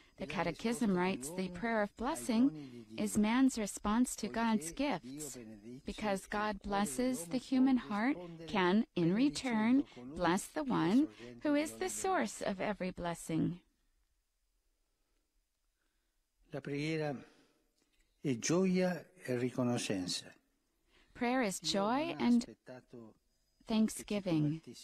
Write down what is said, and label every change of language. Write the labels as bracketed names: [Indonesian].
[English] The Catechism writes, the prayer of blessing is man's response to God's gifts. Because God blesses, the human heart can, in return, bless the one who is the source of every blessing. [Italian] La preghiera è gioia e riconoscenza. [English] Prayer is joy and thanksgiving.